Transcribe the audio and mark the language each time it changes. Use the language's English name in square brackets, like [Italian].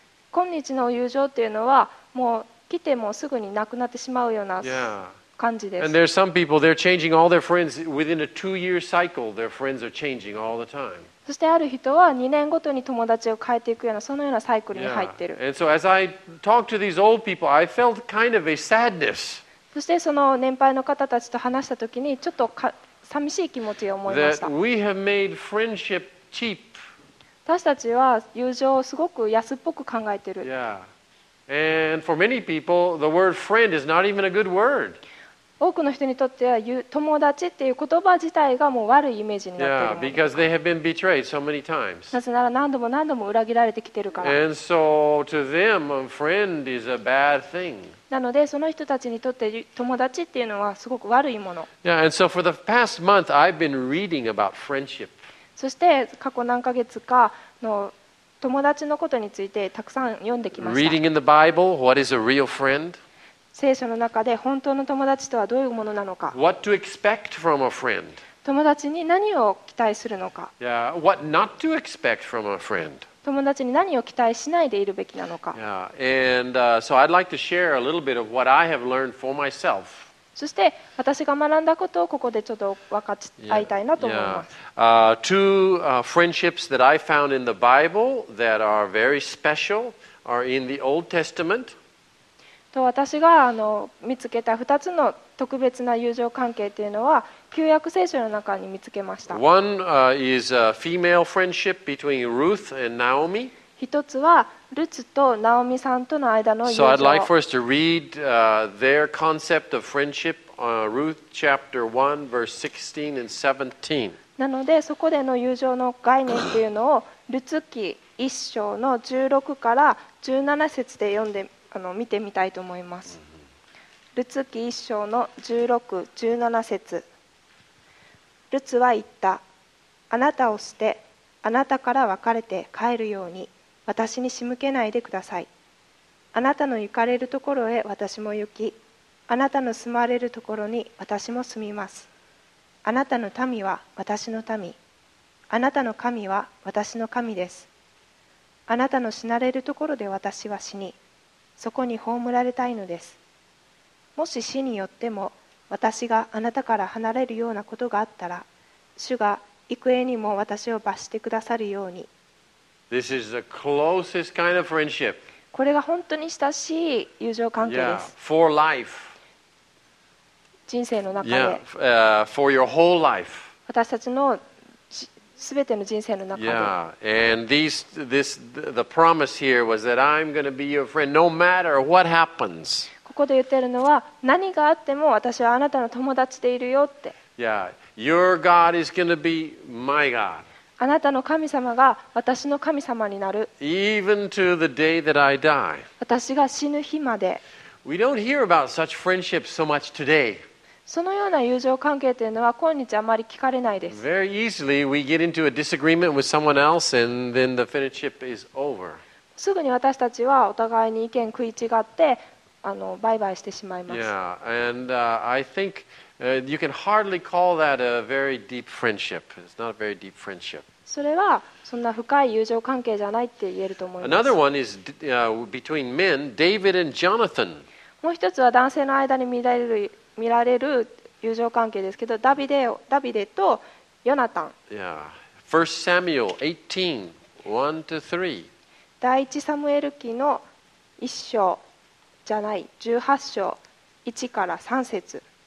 [Japanese] 今日の友情というのはもう来てもすぐになくなってしまうような感じです。 [English] Yeah. And there are some people, they're changing all their friends within a two-year cycle. Their friends are changing all the time. [Japanese] そしてある人は2年ごとに友達を変えていくようなそのようなサイクルに入ってる。 [English] Yeah. And so as I talked to these old people, I felt kind of a sadness. [Japanese] そしてその年配の方たちと話したときにちょっと寂しい気持ちを思いました。 [English] That we have made friendship cheap. [Japanese] 私たちは友情をすごく安っぽく考えている。 [English] Yeah. And for many people, the word friend is not even a good word. [Japanese] 多くの人にとっては友達っていう言葉自体がもう悪いイメージになっている。 [English] Yeah, because they have been betrayed so many times. [Japanese] なぜなら何度も何度も裏切られてきているから。 [English] And so to them, a friend is a bad thing. [Japanese] なのでその人たちにとって友達っていうのはすごく悪いもの。 [English] Yeah, and so for the past month, I've been reading about friendship. [Japanese] そして過去何ヶ月かの友達のことについてたくさん読んできました。 [English] Reading in the Bible, what is a real friend? [Japanese] 聖書の中で本当の友達とはどういうものなのか。 [English] What to expect from a friend? [Japanese] 友達に何を期待するのか。 [English] Yeah, what not to expect from a friend? [Japanese] 友達に何を期待しないでいるべきなのか。 [English] So I'd like to share a little bit of what I have learned for myself. [Japanese] そして私が学んだことをここでちょっと分かち合いたいなと思います。 [English] Two friendships that I found in the Bible that are very special are in the Old Testament. [Japanese] と私があの見つけた2つの特別な友情関係というのは旧約聖書の中に見つけました。 [English] One, is a female friendship between Ruth and Naomi. [Japanese] 一つはルツとナオミさんとの間の友情。 [English] So I'd like for us to read, their concept of friendship Ruth chapter 1, verse 16 and 17. [Japanese] なのでそこでの友情の概念っていうのをルツ記一章の16から17節で読んで見てみたいと思います。ルツ記一章の16、17節。ルツは言った。あなたを捨てあなたから別れて帰るように私に仕向けないでください。あなたの行かれるところへ私も行き、あなたの住まれるところに私も住みます。あなたの民は私の民、あなたの神は私の神です。あなたの死なれるところで私は死に、そこに葬られたいのです。もし死によっても私があなたから離れるようなことがあったら、主が幾重にも私を罰してくださるように。 [English] This is the closest kind of friendship. [Japanese] これが本当に親しい友情関係です。 [English] yeah, for life. [Japanese] 人生の中で、 [English] yeah, for your whole life. [Japanese] 私たちの全ての人生の中で、 [English] yeah, and the promise here was that I'm going to be your friend no matter what happens. [Japanese] ここで言ってるのは、何があっても私はあなたの友達でいるよって。 [English] yeah, your God is going to be my God. [Japanese] あなたの神様が私の神様になる。 [English] Even to the day that I die. [Japanese] 私が死ぬ日まで。 [English] We don't hear about such friendship so much today. [Japanese] そのような友情関係というのは今日あまり聞かれないです。 [English] Very easily we get into a disagreement with someone else and then the friendship is over. [Japanese] すぐに私たちはお互いに意見食い違って、バイバイしてしまいます。 [English] Yeah, and I think you can hardly call that a very deep friendship. It's not a very deep friendship. [Japanese] それはそんな深い友情関係じゃないって言えると思います。 [English] Another one is between men, David and Jonathan. [Japanese] もう一つは男性の間に見られる。見られる友情関係ですけど、ダビデとヨナタン。 [English] Yeah. 1 Samuel 18:1-3. [Japanese] 第1サムエル記の1章じゃない18章1から3節。